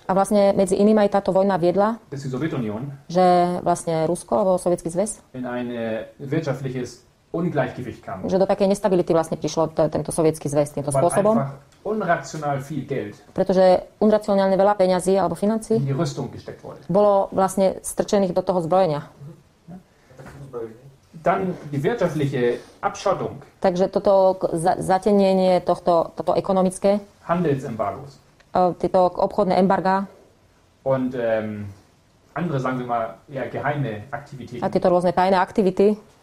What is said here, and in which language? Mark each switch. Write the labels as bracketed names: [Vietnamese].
[Slovak] a vlastne medzi iným aj táto vojna viedla, [German] dass die Sowjetunion, [Slovak] že vlastne Rusko alebo Sovietsky zväz, [German] in ein wirtschaftliches Ungleichgewicht kam. [Slovak] Že do takej nestability vlastne prišlo tento Sovietsky zväz týmto spôsobom. [German] Unrational viel Geld. [Slovak] Pretože unracionálne veľa peňazí alebo financií bolo vlastne strčených do toho zbrojenia. [German] Dann die wirtschaftliche Abschottung. [Slovak] Takže toto zatenenie tohto ekonomické. [German] Handelsembargos. [Slovak] Tieto obchodné embargá. [German] Und andere, sagen wir mal, eher geheime Aktivitäten. [Slovak] A tieto rôzne tajné aktivity.